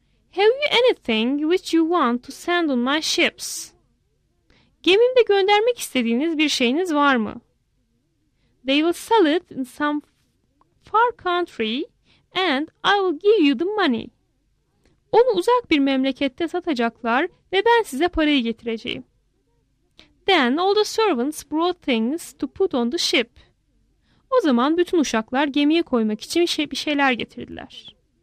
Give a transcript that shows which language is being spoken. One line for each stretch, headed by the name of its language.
English: Have you anything which you want to send on my ships?
Turkish: Gemimde göndermek istediğiniz bir şeyiniz var mı?
English: They will sell it in some far country and I will give you the money.
Turkish: Onu uzak bir memlekette satacaklar ve ben size parayı getireceğim.
English: Then all the servants brought things to put on the ship.
Turkish: O zaman bütün uşaklar gemiye koymak için bir şeyler getirdiler.